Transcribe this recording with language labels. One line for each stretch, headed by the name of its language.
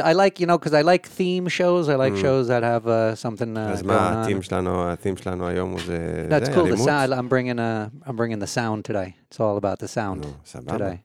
English: I like, you know, because I like theme shows. I like shows that have something going on.
Hebrew: אז מה הטים שלנו, הטים שלנו היום הוא זה...
English: That's cool, the sound. I'm bringing the sound today. It's all about the sound today.